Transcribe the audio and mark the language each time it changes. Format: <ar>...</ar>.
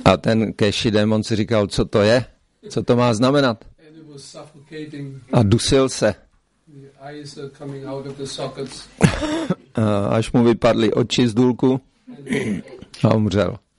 <cs>A ten Keshi démon si říkal, co to je? Co to má znamenat?</cs> <en>And it was suffocating.</en> <cs>A dusil se.</cs> <en>The eyes are coming out of the sockets.</en> <cs>Až mu vypadly oči z důlku a umřel.</cs>